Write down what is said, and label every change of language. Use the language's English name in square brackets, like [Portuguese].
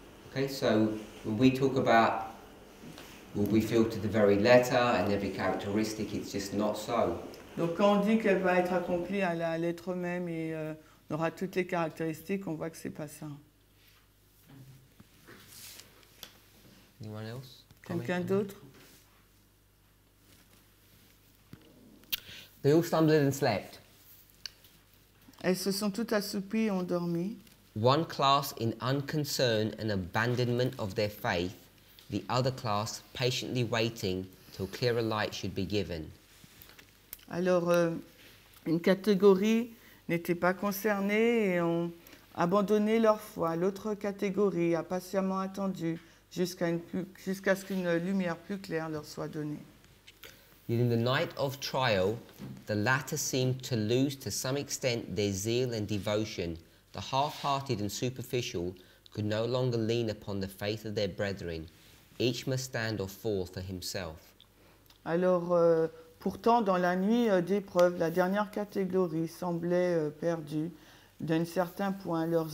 [English] Okay, so when we talk about will be filtered the very letter and every characteristic, it's just not so. [French] Donc quand on dit qu'elle va être accomplie à la lettre même et on aura toutes les caractéristiques, on voit que c'est pas ça. [English] Anyone else? [French] Quelqu'un d'autre? [English] They all stumbled and slept. [French] Elles se sont toutes assoupies et ont dormi. [English] One class in unconcern and abandonment of their faith, the other class patiently waiting till clearer light should be given. [French] Alors, une catégorie n'était pas concernée et ont abandonné leur foi. L'autre catégorie a patiemment attendu jusqu'à ce qu'une lumière plus claire leur soit donnée. [English] In the night of trial, the latter seemed to lose to some extent their zeal and devotion. The half-hearted and superficial could no longer lean upon the faith of their brethren. Each must stand or fall for himself. [French] Alors, pourtant, dans la nuit d'épreuve, la dernière catégorie semblait perdue d'un certain point.